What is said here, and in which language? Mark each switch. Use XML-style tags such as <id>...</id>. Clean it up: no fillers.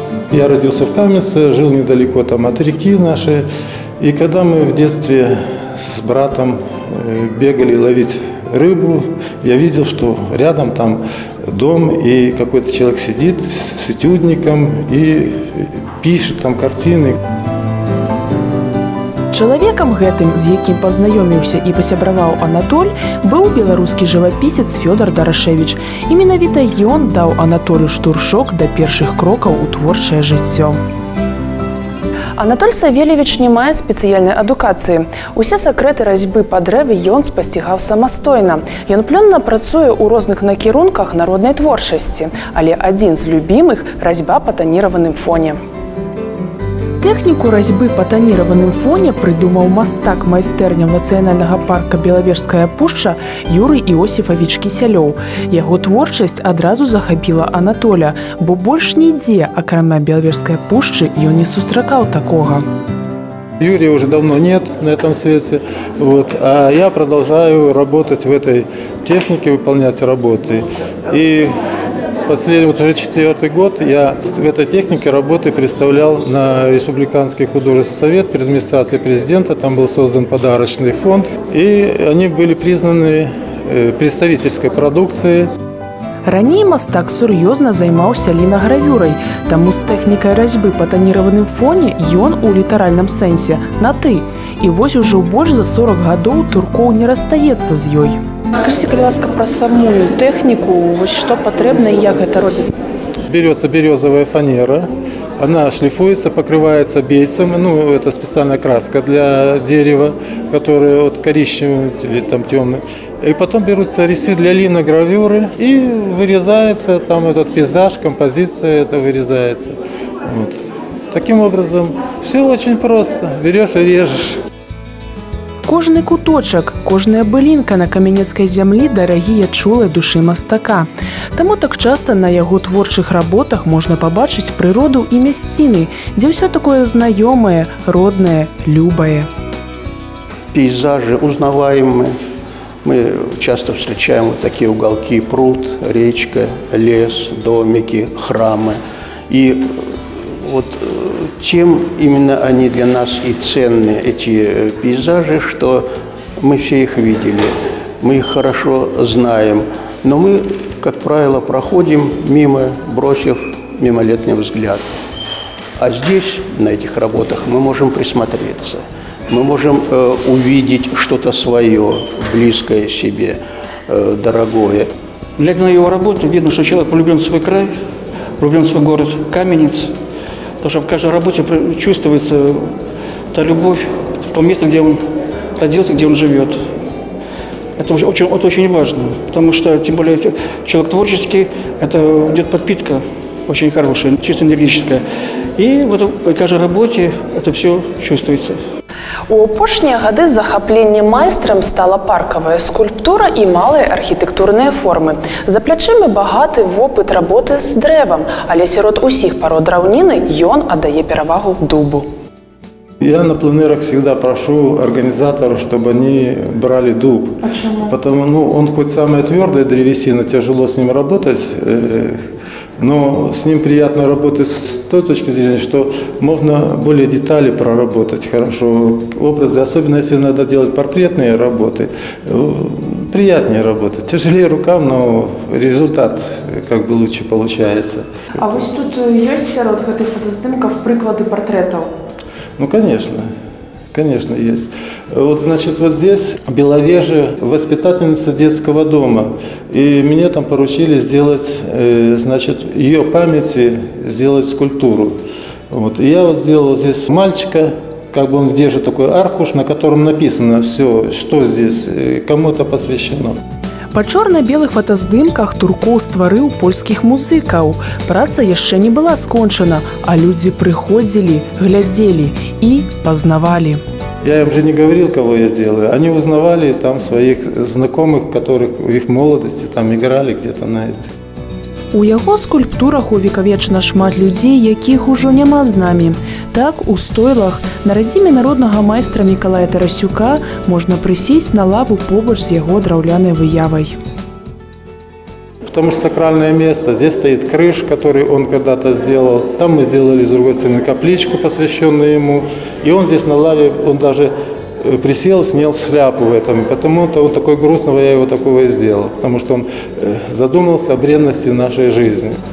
<ru>Я родился в Каменце, жил недалеко там от реки нашей. И когда мы в детстве с братом бегали ловить рыбу, я видел, что рядом там дом, и какой-то человек сидит с этюдником и пишет там картины.</ru> <be>Чалавекам гэтым, з якім пазнаёміўся і пасябраваў Анатоль, быў беларускі жывапісец Фёдар Дарашэвіч. І менавіта ён даў Анатолю штуршок да першых крокаў у творчае жыццё. Анатоль Савельевич не мае спецыяльнай адукацыі. Усе сакрэты разьбы па дрэве ён спасцігаў самастойна. Ён плённа працуе ў розных накірунках народнай творчасці, але адзін з любімых – разьба па таніраваным фоне. Тэхніку разьбы па таніраваным фоне прыдумаў мастак майстэрня нацыянальнага парка Белавежская пушча Юрый Іосіфавіч Кісялёў. Яго творчасць адразу захапіла Анатоля, бо больш нідзе, акрамя Белавежская пушчы, ён не сустракаў такога.</be> <ru>Юрия уже давно нет на этом свете, вот, а я продолжаю работать в этой технике, выполнять работы. И последний, вот уже четвертый год, я в этой технике работы представлял на Республиканский художественный совет при администрации президента. Там был создан подарочный фонд, и они были признаны представительской продукцией.</ru> <be>Раней мастак сур'ёзна займаўся лінагравюрай, таму з тэхнікай разьбы па таніраваным фоне ён у літаральным сэнсе на «ты». І вось ужо больш за 40 гадоў туркоў не расстаецца з ёй. Скажыце, калі ласка, пра самую тэхніку, вось што патрэбна і як гэта робіцца?</be> <ru>Берётся берёзавая фанера, она</ru> <be>шліфуецца, пакрываецца бейцам,</be> <ru>ну, это спецыяльная краска для дерева, которая от карічневая или там тёмная. И потом берутся резцы для линогравюры и вырезается там этот пейзаж, композиция это вырезается. Вот. Таким образом, все очень просто. Берешь и режешь.</ru> <be>Кожны куточак, кожная былінка на камянецкай зямлі дарагія чулай душы мастака. Таму так часта на яго творчых работах можна пабачыць прыроду і мясціны, дзе ўсё такое знаёмае, роднае, любае. Пейзажы узнаваемы.</be> <ru>Мы часто встречаем вот такие уголки: пруд, речка, лес, домики, храмы. И вот тем именно они для нас и ценны, эти пейзажи, что мы все их видели, мы их хорошо знаем. Но мы, как правило, проходим мимо, бросив мимолетный взгляд. А здесь, на этих работах, мы можем присмотреться. Мы можем увидеть что-то свое, близкое себе, дорогое. Глядя на его работу, видно, что человек полюбил свой край, полюбил свой город Каменец. Потому что в каждой работе чувствуется та любовь в том месте, где он родился, где он живет. Это очень важно, потому что, тем более, человек творческий, это идет подпитка очень хорошая, чисто энергетическая. И вот в каждой работе это все чувствуется.</ru> <be>У апошнія гады захапленнем майстрам стала паркавая скульптура і малыя архітэктурныя формы. За плячыма багаты вопыт работы з дрэвам, але сярод усіх парод драўніны ён аддае перавагу дубу.</be> <ru>Я на пленерах всегда прошу организаторов, чтобы они брали дуб. Почему? Потому, ну, он хоть самая твердая древесина, тяжело с ним работать, но с ним приятно работать с той точки зрения, что можно более детали проработать хорошо, образы, особенно если надо делать портретные работы, приятнее работать. Тяжелее рукам, но результат как бы лучше получается. А вот тут есть</ru> <be>сярод гэтых фотаздымков</be> <ru>приклады портретов? Ну, конечно. Конечно, есть. Вот, значит, вот здесь Беловежье, воспитательница детского дома. И мне там поручили сделать, значит, ее памяти сделать скульптуру. Вот. И я вот сделал здесь мальчика, как бы он держит такой аркуш, на котором написано все, что здесь, кому это посвящено.</ru> <be>Па чорна-белых фотаздымках туркоў стварыў польскіх музыкаў. Праца яшчэ не была скончана, а людзі прыходзілі, глядзелі і пазнавалі. Я ім же не гаварыў, каго я делаю. Они узнавалі там сваіх знакомых, каторых у іх моладасці там ігралі</be> <ru>где-то на это.</ru> <be>У яго скульптурах увекавечна шмат людзей, якіх ужо няма з намі. Так, у стойлах на радзіме народнага майстра Мікалая Тарасюка можна прысесць на лаву побач з яго драўлянай выявай.</be> <ru>Потому что</ru> <be>сакральнае месца,</be> <ru>здесь стаіць крыж, который он когда-то сделал. Там мы сделали з другой стороны капличку, посвященную ему. И он здесь на лаве, он даже присел, снял шляпу в этом. Потому-то вот такой грустного я его такого и сделал. Потому что он задумался о бренности нашей жизни.</ru>